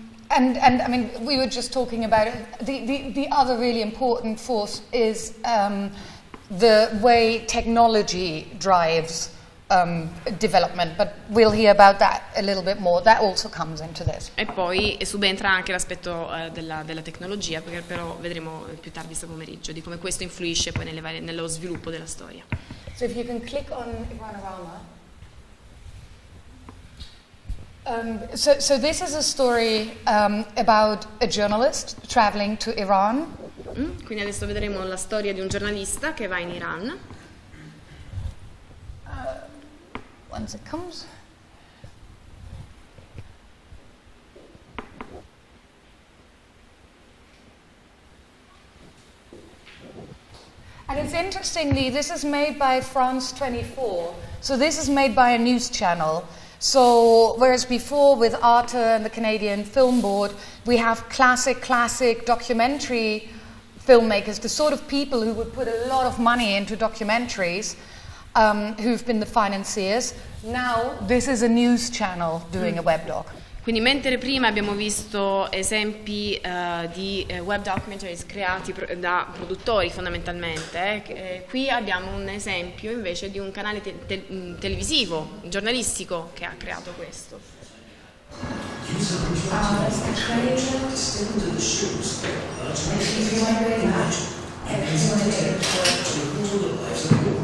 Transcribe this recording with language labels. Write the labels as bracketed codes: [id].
[en] And I mean, we were just talking about it. The other really important force is the way technology drives development, but we'll hear about that a little bit more. That also comes into this. [it] E poi subentra anche l'aspetto della tecnologia, perché però vedremo più tardi questo pomeriggio di come questo influisce poi nello sviluppo della storia. [en] So if you can click on Ivanorama. So this is a story about a journalist traveling to Iran. [it] Quindi adesso vedremo la storia di un giornalista che va in Iran. [en] Once it comes. And it's interestingly, this is made by France 24. So this is made by a news channel. So whereas before with Arte and the Canadian Film Board, we have classic documentary filmmakers, the sort of people who would put a lot of money into documentaries, who've been the financiers. Now this is a news channel doing a webdoc. [it] Quindi mentre prima abbiamo visto esempi di web documentaries creati da produttori fondamentalmente, qui abbiamo un esempio invece di un canale televisivo, giornalistico, che ha creato questo.